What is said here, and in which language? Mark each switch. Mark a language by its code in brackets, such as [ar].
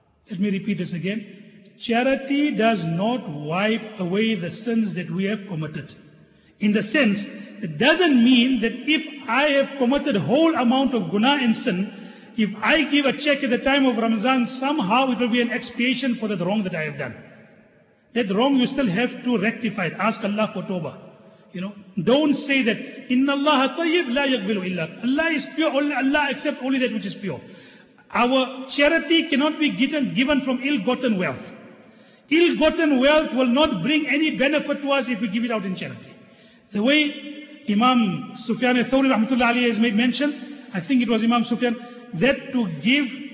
[en] Let me repeat this again. Charity does not wipe away the sins that we have committed. In the sense, it doesn't mean that if I have committed whole amount of guna and sin, if I give a check at the time of Ramadan, somehow it will be an expiation for that wrong that I have done. That wrong you still have to rectify it. Ask Allah for tawbah. You know, don't say that, [ar] إِنَّ اللَّهَ طَيِّبْ لَا يَقْبِلُ إِلَّا. [en] Allah is pure, only Allah accepts only that which is pure. Our charity cannot be given from ill-gotten wealth. Ill-gotten wealth will not bring any benefit to us if we give it out in charity. The way Imam Sufyan al-Thawri rahmatullah alayhi has made mention, I think it was Imam Sufyan, that to give